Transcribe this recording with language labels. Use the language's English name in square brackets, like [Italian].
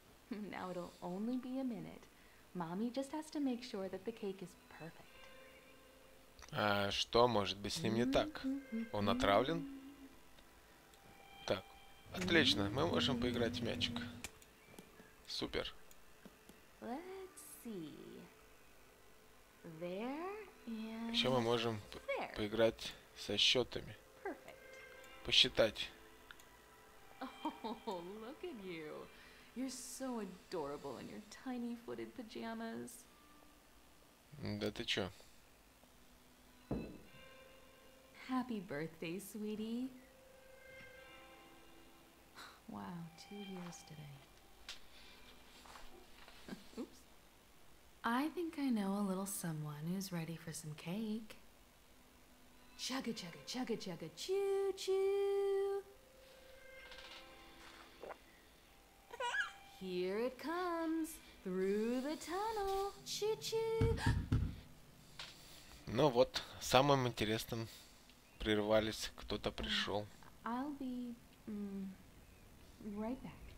[English] Now it'll only be a minute. Mommy just has to make sure that the cake is perfect. [Russian] А что может быть с ним не так? Он отравлен? Так, отлично, мы можем поиграть в мячик. Супер. [English] Let's see. There and [Russian] еще мы можем [English] there. [Russian] Поиграть со счетами. [English] Perfect. [Russian] Посчитать. [English] Oh, look at you. You're so adorable in your tiny-footed pajamas. [Russian] Да ты че? [English] Happy birthday, sweetie. Wow, 2 years today. I think I know a little someone who's ready for some cake. Chugga chugga chugga chugga choo choo. Here it comes through the tunnel. Choo choo. [Russian] Ну вот, самым интересным прервались, кто-то пришел. [English] I'll be right back.